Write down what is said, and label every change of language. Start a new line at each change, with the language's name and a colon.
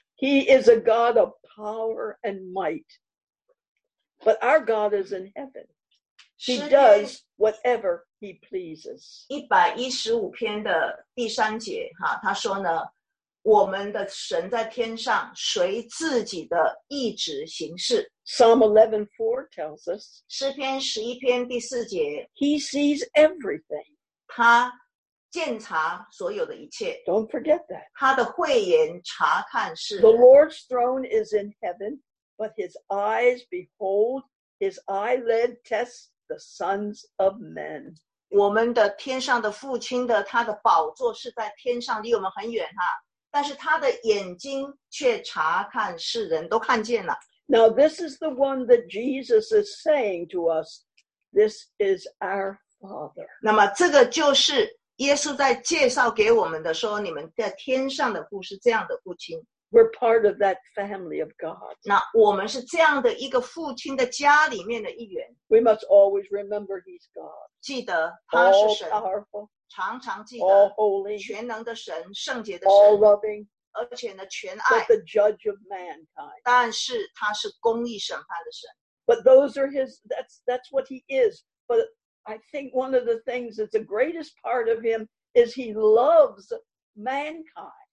English: He is a God of power and might, but our God is in heaven. He does whatever he pleases.
Chinese: 115篇的第三节，他说呢，我们的神在天上，随自己的意志行事。
English: Psalm 11:4 tells us.
Chinese: 诗篇十一篇第四节。
English: He sees everything.
Chinese: 他鉴察所有的一切。
English: Don't forget that.
Chinese: 他的慧眼察看世人。
English: The Lord's throne is in heaven, but his eyes behold His eye lead tests the sons of men.
Chinese: 我们的天上的父亲的他的宝座是在天上，离我们很远哈。但是他的眼睛却查看世人，都看见了。
English: Now this is the one that Jesus is saying to us. This is our Father.
Chinese: 那么这个就是耶稣在介绍给我们的说，你们在天上的父是这样的父亲。
English: We're part of that family of God.
Chinese: 那我们是这样的一个父亲的家里面的一员。
English: We must always remember He's God.
Chinese: 记得他是神,
English: all powerful,
Chinese: 常常记得,
English: all holy,
Chinese: 全能的神, 圣洁的神,
English: all loving,
Chinese: 而且呢全爱,
English: but the judge of mankind.
Chinese: 但是他是公义审判的神。
English: But those are His, that's what He is. But I think one of the things that's the greatest part of Him is He loves mankind.